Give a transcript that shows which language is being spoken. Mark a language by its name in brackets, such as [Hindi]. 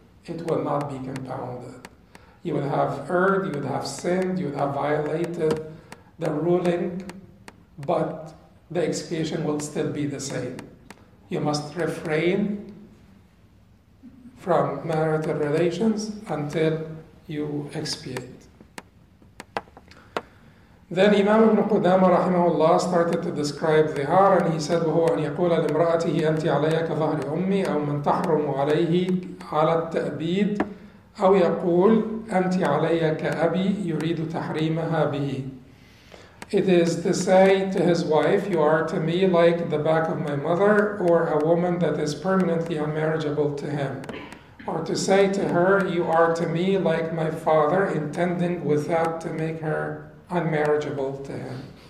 [English] It will not be compounded. You would have erred, you would have sinned, you would have violated the ruling, but the expiation will still be the same. You must refrain from marital relations until you expiate. Then Imam ibn Qudama rahimahullah started to describe the har, and he said, [Arabic] وهو أن يقول لمرأته أنت علي كظهر أمي أو من تحرم عليه على التأبيد أو يقول أنت علي كأبي يريد تحريمها به. [English] It is to say to his wife, you are to me like the back of my mother, or a woman that is permanently unmarriageable to him. Or to say to her, you are to me like my father, intending with that to make her unmarriageable to him.